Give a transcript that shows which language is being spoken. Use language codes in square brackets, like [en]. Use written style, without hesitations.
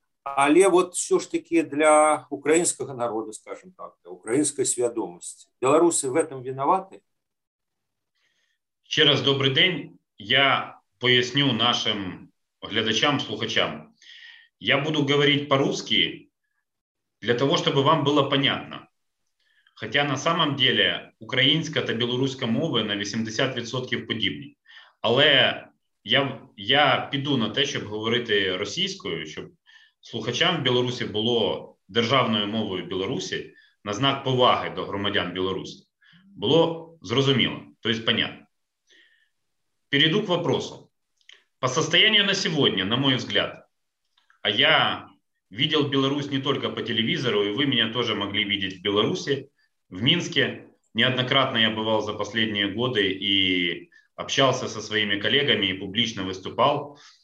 [ru] Але вот все ж таки для украинского народа, скажем так, для украинской свядомости, белорусы в этом виноваты? [uk] Ще раз добрий день. Я поясню нашим глядачам, слухачам. [ru] Я буду говорить по-русски для того, чтобы вам было понятно. Хотя на самом деле украинская [uk] та белоруська мови на 80% подібні. Але я піду на те, щоб говорити російською, щоб слухачам в Білорусі було державною мовою Білорусі на знак поваги до громадян Білорусі. Було зрозуміло, [ru] то есть понятно. Перейду к вопросу. По состоянию на сегодня, на мой взгляд, а я видел Беларусь не только по телевизору, и вы меня тоже могли видеть в Беларуси, в Минске. Неоднократно я бывал за последние годы и общался со своими коллегами и публично выступал.